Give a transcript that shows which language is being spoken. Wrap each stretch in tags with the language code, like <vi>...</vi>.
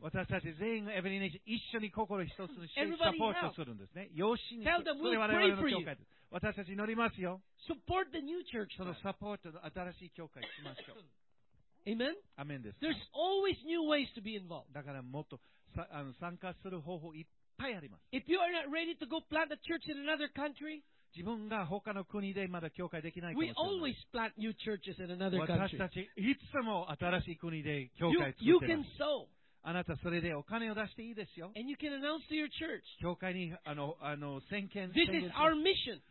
<ja>私たち全員がエブリネーション一緒に心一つにしてサポートするんですね。養子にする。</ja> <en>Tell them we'll pray for you.</en> <ja>私たち祈りますよ。</ja> <en>Support the new church.</en> <ja>そのサポートの新しい教会しましょう。</ja> <en>Amen?</en> <ja>Amen です。</ja> <en>There's always new ways to be involved.</en> <ja>だからもっと参加する方法いっぱい。</ja> <en>If you are not ready to go plant a church in another country,</en> <ja>自分が他の国でまだ教会できないかもしれない。</ja> <en>We always plant new churches in another country.</en> <ja>私たちいつも新しい国で教会作って</ja> <en>る。You can sow.</en> <ja>あなたそれでお金を出していいですよ。</ja> <en>And you can announce to your church.</en> <ja>教会に宣言。</ja> <en>This is our mission.</en>